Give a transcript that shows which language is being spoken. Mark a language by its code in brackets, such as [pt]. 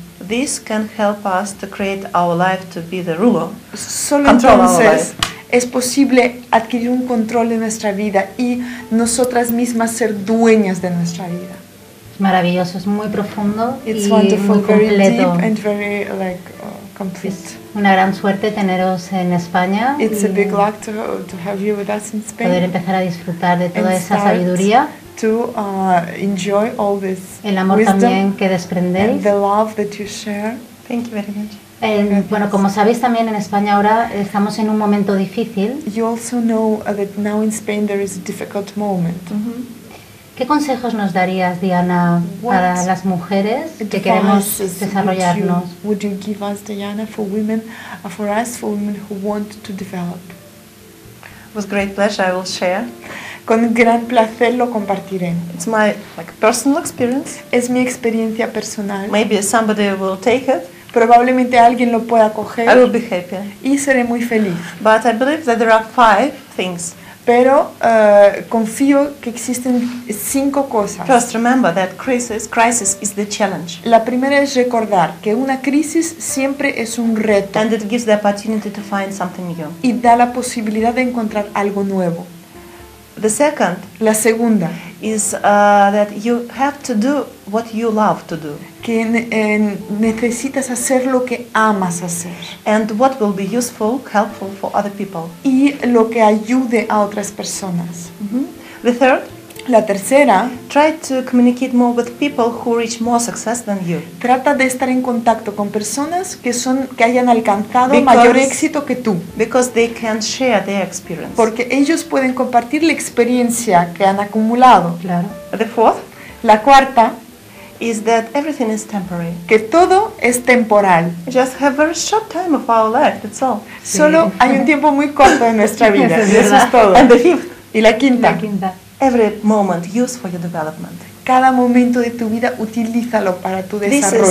[en] this can help us to create our life to be the ruler. [es] Solo entonces es posible adquirir un control de nuestra vida y nosotras mismas ser dueñas de nuestra vida. Maravilloso, es muy profundo. [en] It's [es] y [en] wonderful, [es] muy completo. [en] Very deep and very like complete. [es] Es una gran suerte teneros en España. [en] It's a big luck to have you with us in Spain. [es] Poder empezar a disfrutar de toda esa sabiduría. [en] To enjoy all this. [es] El amor también que desprendéis. [en] And the love that you share. Thank you very much. [es] Bueno, como sabéis también en España ahora estamos en un momento difícil. [en] You also know that now in Spain there is a difficult moment. [es] ¿Qué consejos nos darías, Diana, para las mujeres que queremos desarrollarnos? [en] Would you give us, Diana, for women, for us, for women who want to develop? With great pleasure, I will share. [es] Con gran placer lo compartiré. [en] It's my like personal experience. [es] Es mi experiencia personal. [en] Maybe somebody will take it. [es] Probablemente alguien lo pueda coger. [en] I will be happy. [es] Y seré muy feliz. [en] But I believe that there are five things. [es] Pero confío que existen cinco cosas. [en] First, remember that crisis is the challenge. [es] La primera es recordar que una crisis siempre es un reto. [en] And it gives the opportunity to find something new. [es] Y da la posibilidad de encontrar algo nuevo. [en] The second, [es] la segunda, [en] is that you have to do what you love to do. [es] Que necesitas hacer lo que amas hacer. [en] And what will be useful, helpful for other people. [es] Y lo que ayude a otras personas. [en] The third, [es] la tercera, [en] try to communicate more with people who reach more success than you. [es] Trata de estar en contacto con personas que hayan alcanzado mayor éxito que tú. [en] Because they can share their experience. [es] Porque ellos pueden compartir la experiencia que han acumulado. Claro. [en] The fourth, [es] la cuarta, [en] is that everything is temporary. [es] Que todo es temporal. [en] Just have a very short time of our life, that's all. [es] Sí. Solo hay un tiempo muy corto en nuestra vida. Eso es y eso es todo. [en] And the fifth. [es] Y la quinta. [en] Every moment use for your development. [es] Cada momento de tu vida utilízalo para tu desarrollo.